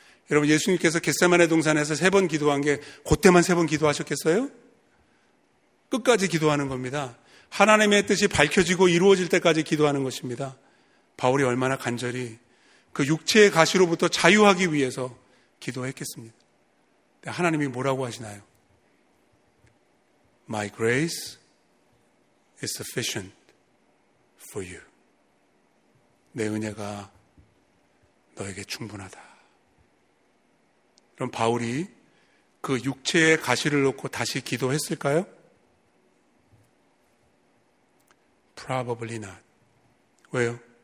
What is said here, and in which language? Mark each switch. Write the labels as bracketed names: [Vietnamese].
[Korean] 여러분, 예수님께서 겟세마네 동산에서 세 번 기도한 게 그때만 세 번 기도하셨겠어요? 끝까지 기도하는 겁니다. 하나님의 뜻이 밝혀지고 이루어질 때까지 기도하는 것입니다. 바울이 얼마나 간절히 그 육체의 가시로부터 자유하기 위해서 기도했겠습니다. 하나님이 뭐라고 하시나요? [English] My grace is sufficient for you. [Korean] 내 은혜가 너에게 충분하다. 그럼 바울이 그 육체의 가시를 놓고 다시 기도했을까요? [English] Probably not. [Korean] 왜요?